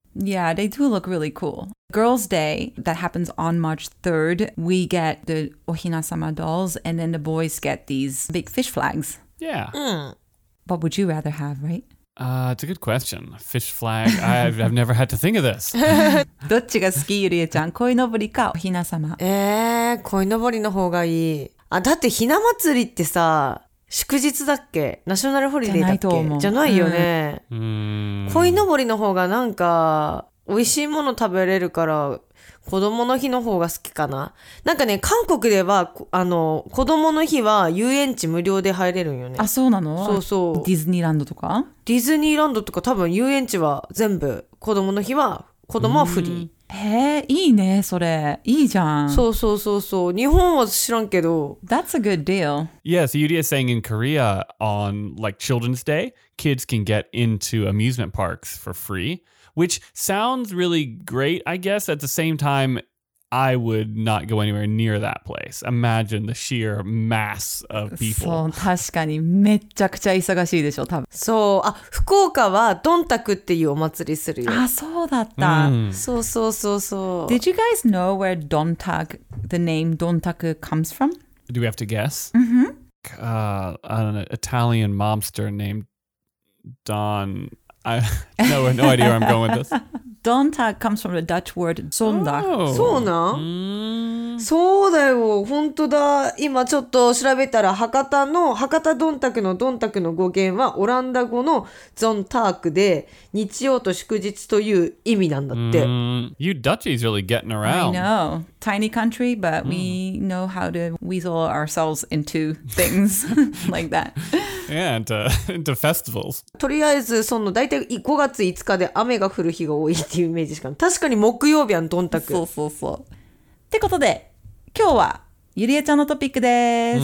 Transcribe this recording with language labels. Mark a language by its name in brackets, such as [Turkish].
[English] Yeah, they do look really cool. Girls' Day, that happens on March 3rd, we get the Ohina-sama dolls, and then the boys get these big fish flags. Yeah. Mm. What would you rather have, right? It's a good question. Fish flag, I've never had to think of this. [Japanese] どっちが好き、ゆりえちゃん、鯉のぼりか、おひなさま。鯉のぼりの方がいい。あ、だってひな祭りってさ、祝日だっけ？ナショナルホリデーだっけ？じゃないと思う。じゃないよね。うん。鯉のぼりの方がなんか、美味しいもの食べれるから子供の日の方が好きかな。なんかね、韓国ではあの子供の日は遊園地無料で入れるんよね。あ、そうなの？そうそう。ディズニーランドとか？ディズニーランドとか多分遊園地は全部子供の日は子供はフリー。へえ、いいね、それいいじゃん。そうそうそうそう。日本は知らんけど。 [English] That's a good deal. Yeah, so Yuri is saying in Korea on like Children's Day, kids can get into amusement parks for free. Which sounds really great, I guess. At the same time, I would not go anywhere near that place. Imagine the sheer mass of people. [Japanese] そう、確かにめっちゃくちゃ忙しいでしょ、多分。そう、あ、福岡はドンタクっていうお祭りするよ。あ、そうだった。そうそうそうそう。 [English] Did you guys know where ドンタク、the name ドンタク comes from? Do we have to guess? Mm-hmm. An Italian mobster named Don... No idea where I'm going with this. Dontag comes from the Dutch word zondag. [Japanese] Oh, そうな、そうだよ、本当だ。今ちょっと調べたら博多の博多ドンタクのドンタクの語源はオランダ語のゾンタークで日曜と祝日という意味なんだって。 [English] You Dutchies really getting around. I know. Tiny country, but we know how to weasel ourselves into things like that. Yeah, into festivals. [Japanese] とりあえずその大体5月5日で雨が降る日が多いっていうイメージしかない。確かに木曜日はドンタク。そうそうそう。ってことで、今日はゆりえちゃんのトピックです。